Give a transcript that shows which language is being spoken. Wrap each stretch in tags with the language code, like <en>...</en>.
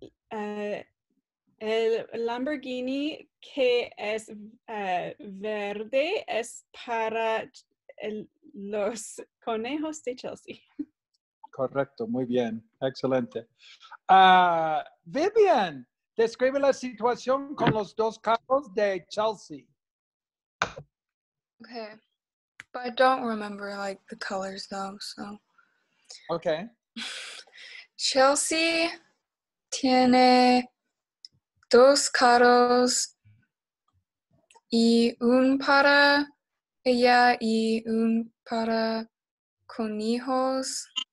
<es>El Lamborghini que es verde es para los conejos de Chelsea. Correcto, muy bien, excelente. Vivian, describe la situación con los dos carros de Chelsea.</es> <en>Okay, but I don't remember like the colors though, so. Okay.</en> <es>Chelsea tiene dos carros y un para ella y un para conejos.</es>